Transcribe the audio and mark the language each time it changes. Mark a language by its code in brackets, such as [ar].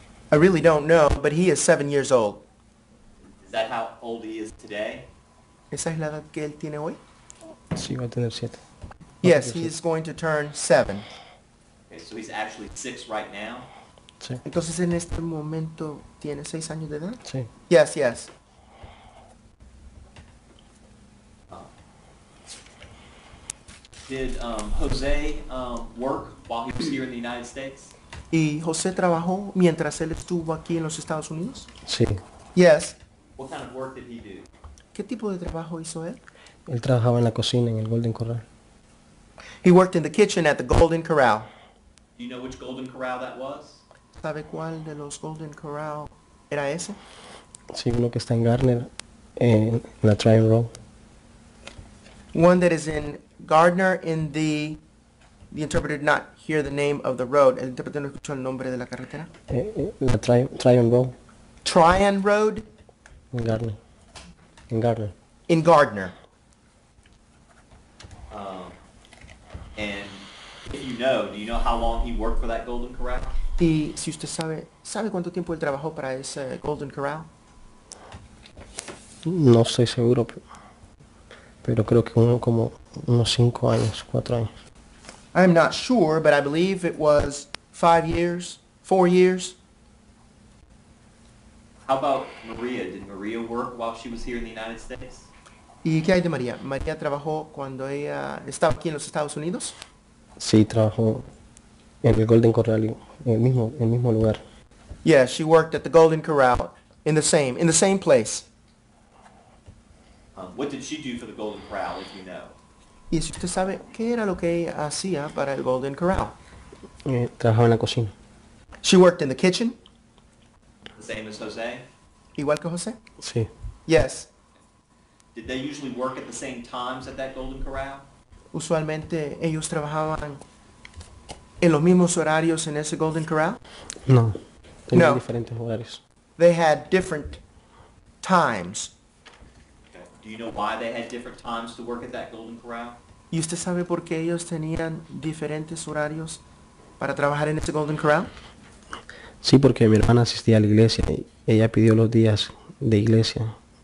[en] I really don't know, but he is 7 years old. Is that how old he is today? [es] ¿Esa es la edad que él tiene hoy? Sí, va a tener 7. [en] Yes, he is going to turn 7. Okay, so he's actually 6 right now? [es] Sí. Entonces en este momento tiene 6 años de edad? Sí. [en] Yes, yes. Did Jose work while he was here in the United States? [es] ¿Y José trabajó mientras él estuvo aquí en los Estados Unidos? Sí. [en] Yes. What kind of work did he do? [es] ¿Qué tipo de trabajo hizo él? Él trabajaba en la cocina en el Golden Corral. [en] He worked in the kitchen at the Golden Corral. Do you know which Golden Corral that was? [es] ¿Sabe cuál de los Golden Corral era ese? Sí, uno que está en Garner, en la Tryon Road. [en] One that is in Garner in the... The interpreter did not hear the name of the road. [es] ¿El intérprete no escuchó el nombre de la carretera? La Tryon Road. [en] Tryon Road? In Garner. In Gardner. In Gardner. And if you know, do you know how long he worked for that Golden Corral? [es] Y si usted sabe, ¿sabe cuánto tiempo él trabajó para ese Golden Corral? No estoy seguro, pero creo que como unos 5 años, 4 años. [en] I'm not sure, but I believe it was 5 years, 4 years. How about Maria? Did Maria work while she was here in the United States? [es] ¿Y qué hay de María? ¿María trabajó cuando ella estaba aquí en los Estados Unidos? Sí, trabajó en el Golden Corral, en el mismo lugar. [en] Yeah, she worked at the Golden Corral in the same place. What did she do for the Golden Corral, if you know? [es] ¿Y si usted sabe qué era lo que ella hacía para el Golden Corral? Trabajaba en la cocina. [en] She worked in the kitchen. Same as Jose? [es] ¿Igual que Jose? Sí. [en] Yes. Did they usually work at the same times at that Golden Corral? [es] ¿Usualmente ellos trabajaban en los mismos horarios en ese Golden Corral? No. Tenían diferentes horarios. [en] They had different times. Okay. Do you know why they had different times to work at that Golden Corral? [es] ¿Y usted sabe por qué ellos tenían diferentes horarios para trabajar en ese Golden Corral? Sí, porque mi hermana asistía a la iglesia y ella pidió los días de iglesia.